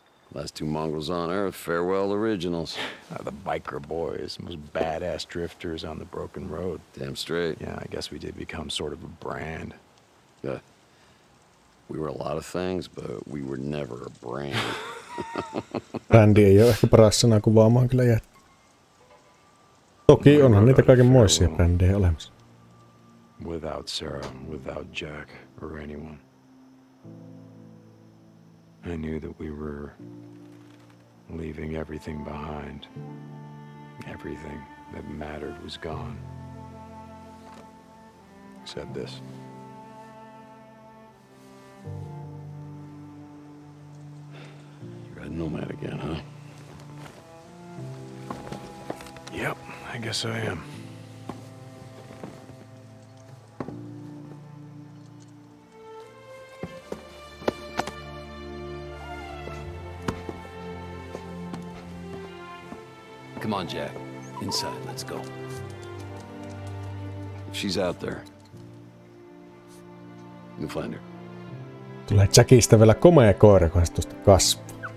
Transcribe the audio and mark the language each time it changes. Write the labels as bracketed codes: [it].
[en] Last two mongrels on Earth, Farewell Originals. The biker boys, most badass drifters on the broken road. Damn straight. Yeah, I guess we did become sort of a brand. Yeah. We were a lot of things, but we were never a brand. [fi] Bändi ei ole ehkä paras sana kuvaamaan kyllä jättää. Toki onhan niitä kaikenmoisia bändejä olemassa. [en] Without Sarah, without Jack, or anyone. I knew that we were leaving everything behind. Everything that mattered was gone. Except this. Nomad again, huh? Yep, I guess I am. Come on, Jack. Inside, let's go. If she's out there, you'll find her. [fi] Tulee Jackista vielä komea koira, kun hän tuosta kasvaa.